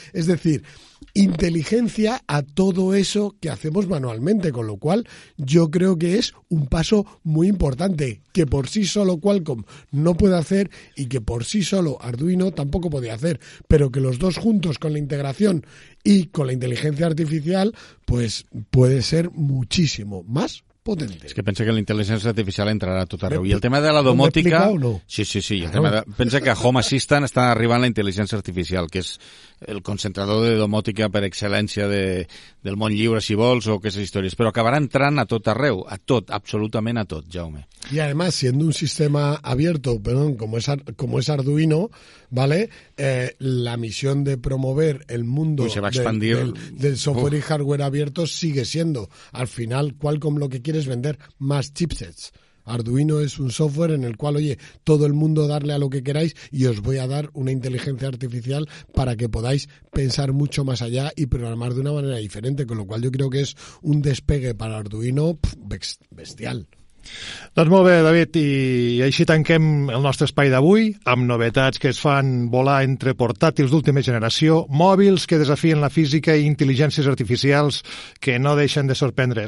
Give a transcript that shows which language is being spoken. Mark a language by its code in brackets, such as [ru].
[es] Es decir, inteligencia a todo eso que hacemos manualmente, con lo cual yo creo que es un paso muy importante que por sí solo Qualcomm no puede hacer y que por sí solo Arduino tampoco podía hacer, pero que los dos juntos con la integración y con la inteligencia artificial, pues puede ser muchísimo más potente. Es que pensé que la inteligencia artificial entrará [ca] a tot arreu. I el tema de la domòtica... No? [es] Sí. Claro. [ca] Pensa que a Home Assistant està arribant la intel·ligència artificial, que és el concentrador de domòtica per excel·lència del món lliure, si vols, o aquestes històries. Però acabarà entrant a tot arreu, a tot, absolutament a tot, Jaume. [es] Y además, siendo un sistema abierto, perdón, como es Arduino, ¿vale? La misión de promover el mundo del software y hardware abierto sigue siendo. Al final, Qualcomm lo que quiere es vender más chipsets. Arduino es un software en el cual, oye, todo el mundo darle a lo que queráis y os voy a dar una inteligencia artificial para que podáis pensar mucho más allá y programar de una manera diferente. Con lo cual, yo creo que es un despegue para Arduino bestial. [ca] Doncs molt bé, David, i així tanquem el nostre espai d'avui amb novetats que es fan volar entre portàtils d'última generació, mòbils que desafien la física i intel·ligències artificials que no deixen de sorprendre.